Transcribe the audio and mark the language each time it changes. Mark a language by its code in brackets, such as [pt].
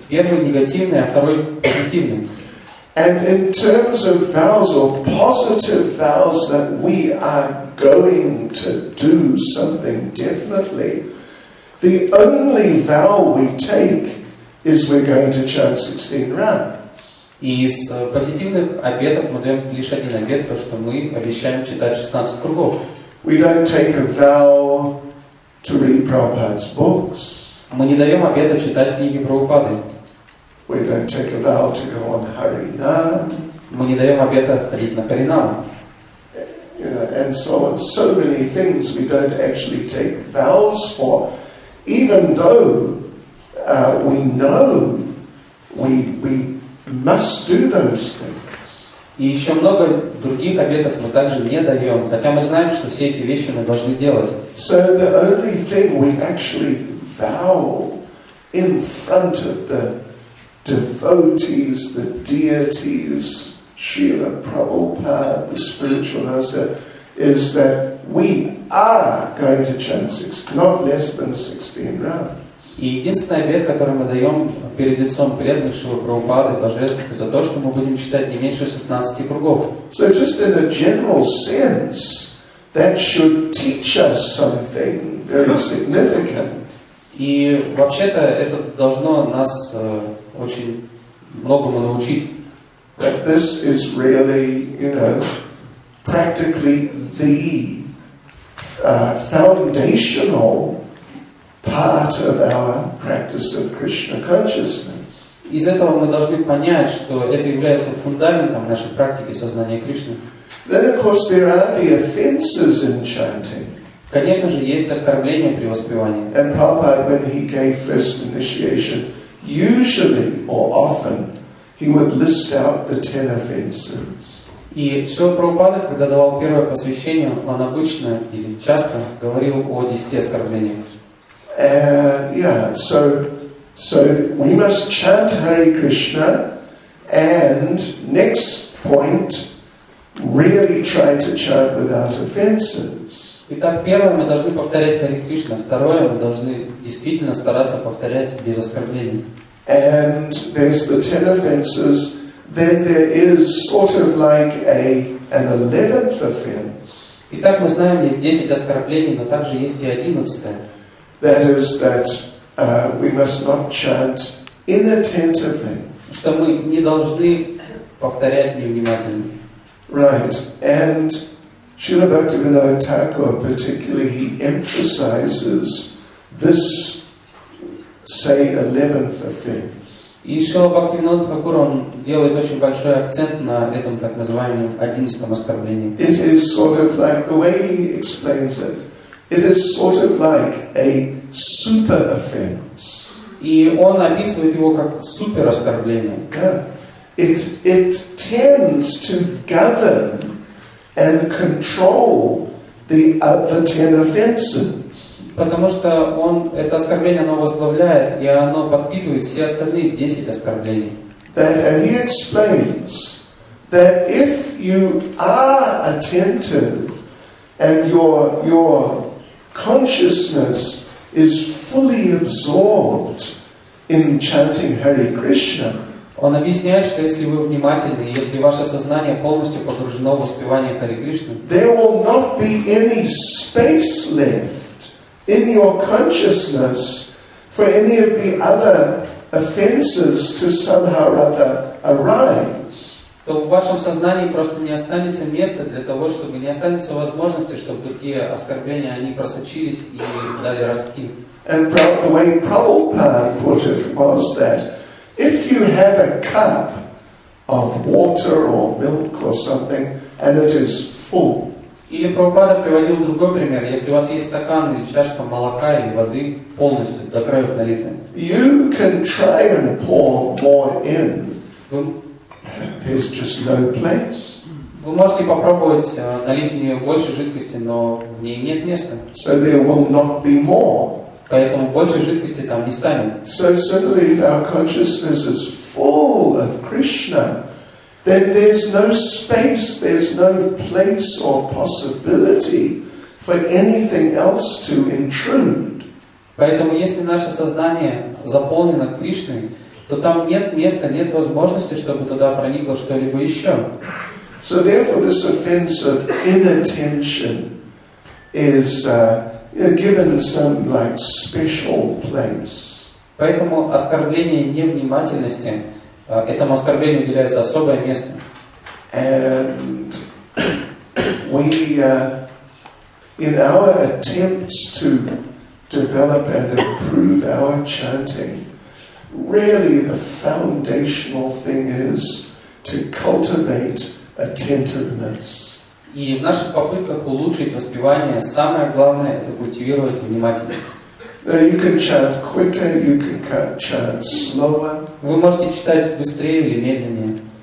[ru] Первый негативный, а второй позитивный. [en] And in terms of vows or positive vows that we are going to do something definitely, the only vow we take is we're going to chant 16 rounds. [ru] И из позитивных обетов мы даем лишь один обет, то что мы обещаем читать 16 кругов. [en] We don't take a vow to read Prabhupada's books. [ru] Мы не даем обета читать книги Прабхупады. [en] We don't take a vow to go on Harinam. [ru] Мы не даем обета ходить на Харинаму. [en] And so on. So many things we don't actually take vows for, even though we know we must do those things. [ru] И еще много других обетов мы также не даем, хотя мы знаем, что все эти вещи мы должны делать. [en] So the only thing we actually vow in front of the devotees, the deities, Srila Prabhupada, the spiritual master, is that we are going to chant 16, not less than 16 rounds. [ru] И единственный обет, который мы даем перед лицом преданных Шрилы Прабхупады, божественных, это то, что мы будем читать не меньше 16 кругов. [en] So just in a general sense, that should teach us something very significant. [ru] И вообще-то это должно нас очень многому научить. [en] That this is really, you know, practically the foundational part of our practice of Krishna consciousness. [ru] Из этого мы должны понять, что это является фундаментом нашей практики сознания Кришны. [en] Then, of course, there are the offenses in chanting. [ru] Конечно же, есть оскорбления при воспевании. [en] And Prabhupada, when he gave first initiation, usually or often he would list out the 10 offenses. [ru] И Шрила Прабхупада, когда давал первое посвящение, он обычно или часто говорил о 10 оскорблениях. [en] Yeah, so we must chant Hare Krishna and next point really try to chant without offenses. [ru] Итак, первое, мы должны повторять Хари Кришна. Второе, мы должны действительно стараться повторять без оскорблений. [en] And there's the 10 offenses. Then there is sort of like an 11th offense. [ru] Итак, мы знаем, есть 10 оскорблений, но также есть и 11. [en] That is that we must not chant inattentively. [ru] Что мы не должны повторять невнимательно. [en] Right. And Srila Bhaktivinoda Thakur particularly, he emphasizes this, say, 11th offense. [ru] И Шрила Бхактивинода Тхакура, он делает очень большой акцент на этом так называемом 11-м оскорблении. [en] It is sort of like, the way he explains it, it is sort of like a super offense. [ru] И он описывает его как супер оскорбление. [en] Yeah. It tends to govern and control the other 10 offenses. [ru] Потому что он, это оскорбление оно возглавляет, и оно подпитывает все остальные 10 оскорблений. [en] That, and he explains that if you are attentive and your consciousness is fully absorbed in chanting Hare Krishna. [ru] Он объясняет, что если вы внимательны, если ваше сознание полностью погружено в воспевание Хари Кришны, [en] there will not be any space left in your consciousness for any of the other offenses to somehow or other arise. [ru] То в вашем сознании просто не останется места для того, чтобы не останется возможности, чтобы другие оскорбления они просочились и дали ростки. [en] And the way Prabhupada put it was that if you have a cup of water or milk or something and it is full. [ru] Или Прабхупада приводил другой пример. Если у вас есть стакан или чашка молока или воды полностью до краев налита. [en] You can try and pour more in. There's just no place. [ru] Вы можете попробовать налить в нее больше жидкости, но в ней нет места. [en] So there will not be more. [ru] Поэтому больше жидкости там не станет. [en] So suddenly if our consciousness is full of Krishna, then there's no space, there's no place or possibility for anything else to intrude. [ru] Поэтому, если наше сознание заполнено Кришной, то там нет места, нет возможности, чтобы туда проникло что-либо еще. [en] So therefore, this offense of inattention is given some like special place. [ru] Поэтому оскорбление невнимательности, этому оскорблению уделяется особое место. [en] And we, in our attempts to develop and improve our chanting, really the foundational thing is to cultivate attentiveness. [ru] И в наших попытках улучшить воспевание самое главное это культивировать внимательность. [en] You can chant quicker, you can chant slower. [ru] Вы можете читать быстрее или медленнее.